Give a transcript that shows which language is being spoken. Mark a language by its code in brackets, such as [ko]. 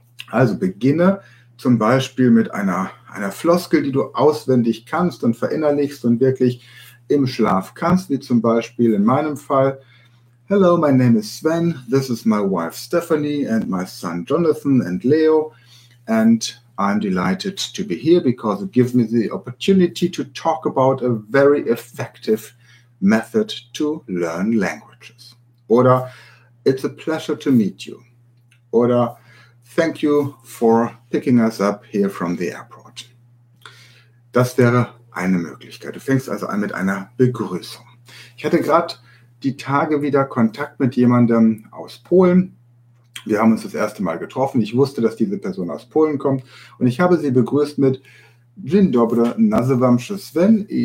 [de] Also beginne zum Beispiel mit einer Floskel, die du auswendig kannst und verinnerlichst und wirklich im Schlaf kannst, wie zum Beispiel in meinem Fall: [en] Hello, my name is Sven, this is my wife Stephanie and my son Jonathan and Leo, and I'm delighted to be here because it gives me the opportunity to talk about a very effective method to learn languages. Oder, it's a pleasure to meet you. Oder, thank you for picking us up here from the airport. [de] Das wäre eine Möglichkeit. Du fängst also an mit einer Begrüßung. Ich hatte gerade die Tage wieder Kontakt mit jemandem aus Polen. Wir haben uns das erste Mal getroffen. Ich wusste, dass diese Person aus Polen kommt. Und ich habe sie begrüßt mit [pl] Dzień dobry, nazywam się Sven.